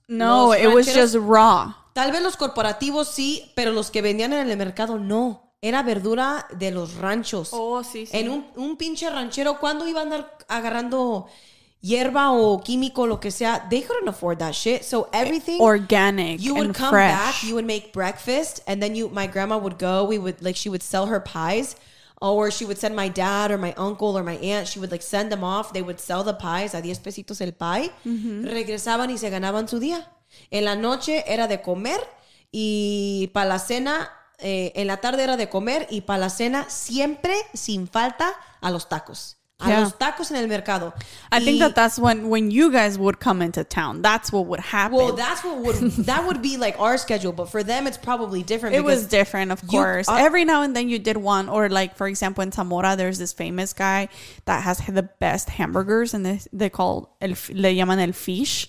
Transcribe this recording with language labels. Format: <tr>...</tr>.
<en>No, los it was just raw.</en> <es>Tal vez los corporativos sí, pero los que vendían en el mercado no. Era verdura de los ranchos. Oh, sí, sí. En un pinche ranchero, ¿cuándo iba a andar agarrando hierba o químico, lo que sea?</es> <en>They couldn't afford that shit. So everything... Organic and fresh. You would come back, you would make breakfast, and then my grandma would go, she would sell her pies, or she would send my dad or my uncle or my aunt, she would like send them off, they would sell the pies,</en> <es>a 10 pesitos el pie,</es> <en>mm-hmm.</en> <es>regresaban y se ganaban su día. En la noche era de comer, y para la cena... en la tarde era de comer y para la cena siempre sin falta a los tacos. A yeah. los tacos en el mercado.</es> <en>I think that that's when you guys would come into town. That's what would happen. Well, that's what would that would be like our schedule, but for them it's probably different. It was different, of course. Every now and then you did one, or like for example in Zamora, there's this famous guy that has the best hamburgers, and they call</en> <es>le llaman el fish.</es>